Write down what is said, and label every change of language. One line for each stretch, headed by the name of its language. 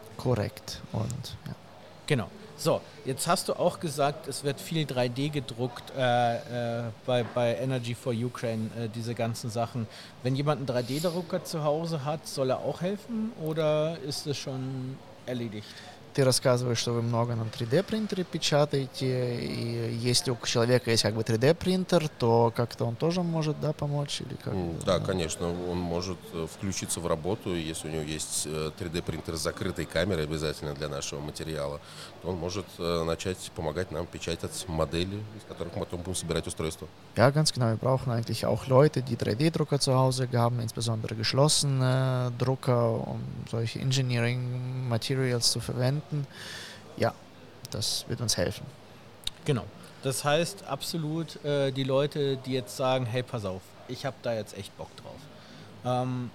German: Korrekt. Und ja. Genau, so, jetzt hast du auch gesagt, es wird viel 3D gedruckt bei Energy for Ukraine, diese ganzen Sachen. Wenn jemand einen 3D-Drucker zu Hause hat, soll er auch helfen oder ist es schon erledigt?
Russian: Ты рассказываешь, что вы много на 3D-принтере печатаете, и если у человека есть как бы 3D-принтер, то как-то он тоже может, да, помочь? Или как? Да, конечно, он может включиться в работу, если у него есть 3D-принтер с закрытой камерой обязательно для нашего материала, то он может начать помогать нам печатать модели, из которых мы потом будем собирать устройство.
German: Ja, ganz genau, wir brauchen eigentlich auch Leute, die 3D-Drucker zu Hause haben, insbesondere geschlossene Drucker, um solche Engineering-Materials zu verwenden. Ja, das wird uns helfen. Genau, das heißt absolut, die Leute, die jetzt sagen, hey, pass auf, ich habe da jetzt echt Bock drauf.